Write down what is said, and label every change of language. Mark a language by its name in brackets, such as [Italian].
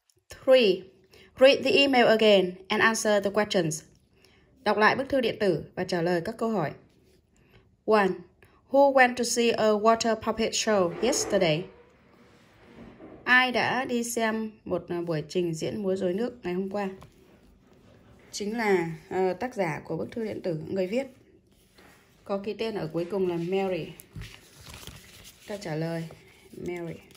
[English] Three, read the email again and answer the questions. [Vietnamese] Đọc lại bức thư điện tử và trả lời các câu hỏi. [English] One, who went to see a water puppet show yesterday? [Vietnamese] Ai đã đi xem một buổi trình diễn múa rối nước ngày hôm qua? Chính là tác giả của bức thư điện tử, người viết. Có ký tên ở cuối cùng là Mary. Ta trả lời Mary.